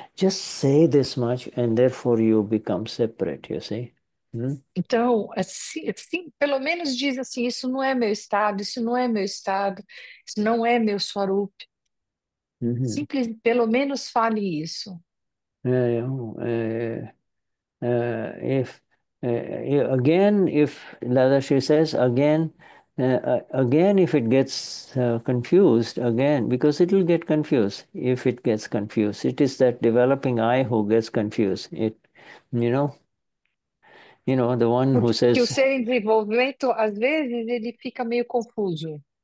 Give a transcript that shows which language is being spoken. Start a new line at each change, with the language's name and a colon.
English: Just say this much and therefore you become separate, you see?
Portuguese: Então, assim, pelo menos diz assim: isso não é meu estado, isso não é meu estado, isso não é meu Swarup. Simples, pelo menos fale isso.
English: Ladashri says, again, if it gets confused, again, because it will get confused. If it gets confused, it is that developing I who gets confused. The one who
Portuguese: Porque o
English: says,
Portuguese: ser em desenvolvimento, às vezes, ele fica meio confuso.